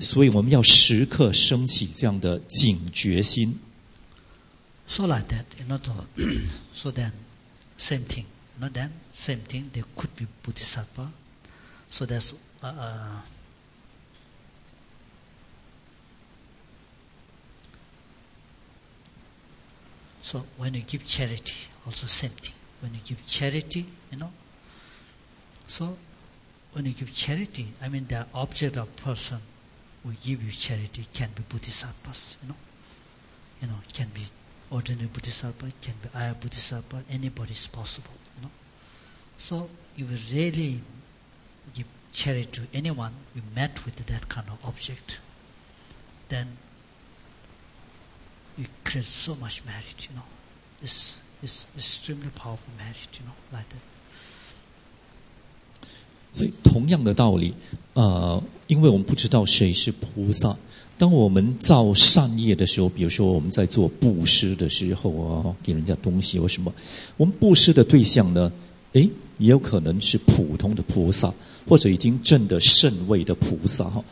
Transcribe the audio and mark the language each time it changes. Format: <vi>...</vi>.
<zh>所以我们要时刻升起这样的警觉心。</zh> <en>So like that, you know, so then, same thing. Not then, same thing, they could be Bodhisattva. So that's... So when you give charity, also same thing. When you give charity, you know? So when you give charity, I mean the object of person who give you charity can be Bodhisattvas, you know? You know, can be ordinary Bodhisattva, can be Aya Bodhisattva, anybody is possible. So, if you really give charity to anyone you met with that kind of object, then you create so much merit, you know. It's extremely powerful merit, you know, like that.</en> <zh>所以同样的道理，因为我们不知道谁是菩萨。当我们造善业的时候，比如说我们在做布施的时候啊，给人家东西或什么，我们布施的对象呢，哎。也有可能是普通的菩萨，或者已经证得圣位的菩萨。</zh>